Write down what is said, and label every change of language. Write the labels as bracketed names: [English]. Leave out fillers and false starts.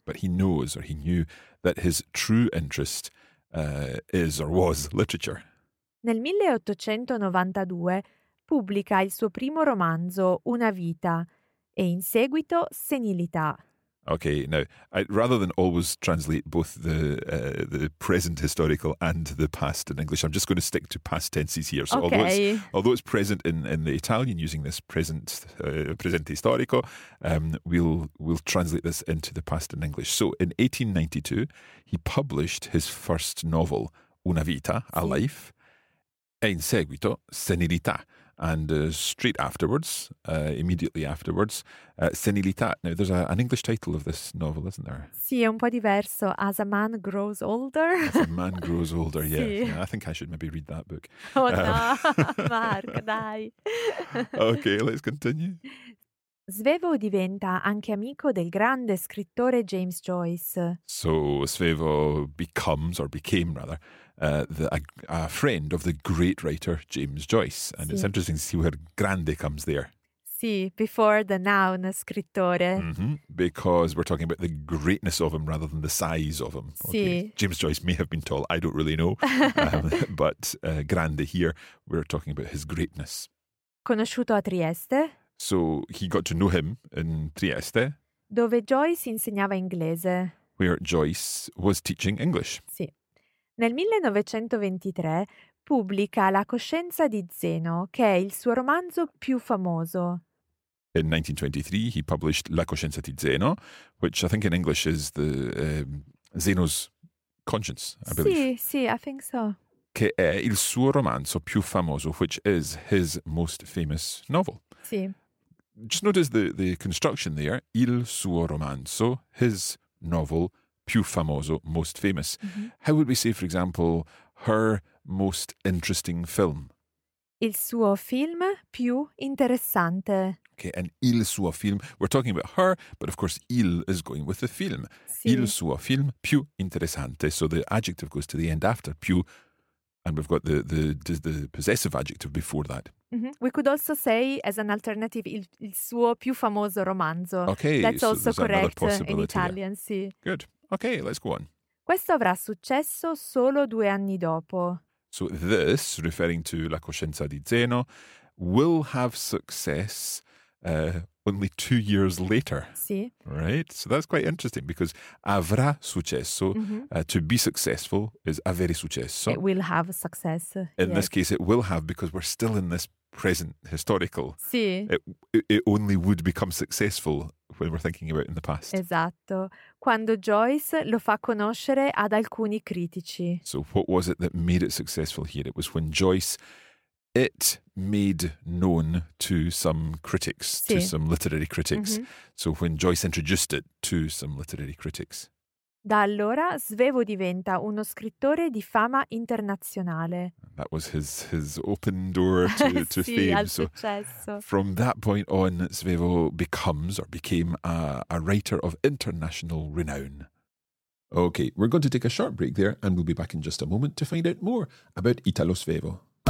[English] But he knows, or he knew, that his true interest is, or was, literature. [Italian] Nel 1892 pubblica il suo primo romanzo, Una vita, e in seguito Senilità. [English] Okay, now, rather than always translate both the present historical and the past in English, I'm just going to stick to past tenses here. So okay. Although it's present in the Italian using this presente storico, we'll translate this into the past in English. So in 1892, he published his first novel, Una Vita, A Life, [Italian] e in seguito, [English] Senilità, and straight afterwards, immediately afterwards, Senilità. Now, there's an English title of this novel, isn't there? [Italian] Sì, è un po' diverso. As a Man Grows Older. [English] As a Man Grows Older, yeah. Sì. Yeah, I think I should maybe read that book. Oh, no, Mark, dai. Okay, let's continue. [Italian] Svevo diventa anche amico del grande scrittore James Joyce. [English] So Svevo becomes, or became rather, a friend of the great writer James Joyce. And sì. It's interesting to see where grande comes there. Sì, before the noun, scrittore. Mm-hmm, because we're talking about the greatness of him rather than the size of him. [Italian] Sì. Okay. [English] James Joyce may have been tall, I don't really know. but grande here, we're talking about his greatness. [Italian] Conosciuto a Trieste. [English] So he got to know him in Trieste. [Italian] Dove Joyce insegnava inglese. [English] Where Joyce was teaching English. [Italian] Sì. Nel 1923 pubblica La coscienza di Zeno, che è il suo romanzo più famoso. [English] In 1923 he published La coscienza di Zeno, which I think in English is the Zeno's conscience, I believe. [Italian] Sì, sì, [English] I think so. [Italian] Che è il suo romanzo più famoso, [English] which is his most famous novel. [Italian] Sì. [English] Just notice the construction there, [Italian] il suo romanzo, [English] his novel, [Italian] più famoso, [English] most famous. Mm-hmm. How would we say, for example, her most interesting film? [Italian] Il suo film più interessante. [English] Okay, and [Italian] il suo film, [English] we're talking about her, but of course il is going with the film. [Italian] Sì. Il suo film più interessante, [English] so the adjective goes to the end after più, and we've got the possessive adjective before that. Mm-hmm. We could also say, as an alternative, [Italian] il suo più famoso romanzo. [English] Okay, that's so also correct in Italian, there. [Italian] Sì. [English] Good. Okay, let's go on. [Italian] Questo avrà successo solo due anni dopo. [English] So this, referring to La coscienza di Zeno, will have success only 2 years later. [Italian] Sì. [English] Right? So that's quite interesting because [Italian] avrà successo, [English] mm-hmm. To be successful, is [Italian] avere successo. [English] It will have success. In yes. this case, it will have because we're still in this present historical. [Italian] Sì. [English] It only would become successful when we're thinking about in the past. [Italian] Esatto. Quando Joyce lo fa conoscere ad alcuni critici. [English] So what was it that made it successful here? It was when Joyce... It made known to some critics, [Italian] sì. [English] to some literary critics. Mm-hmm. So when Joyce introduced it to some literary critics. [Italian] Da allora Svevo diventa uno scrittore di fama internazionale. [English] That was his open door to [Italian] sì, [English] fame. [Italian] Al successo. [English] From that point on, Svevo becomes or became a writer of international renown. Okay, we're going to take a short break there and we'll be back in just a moment to find out more about Italo Svevo.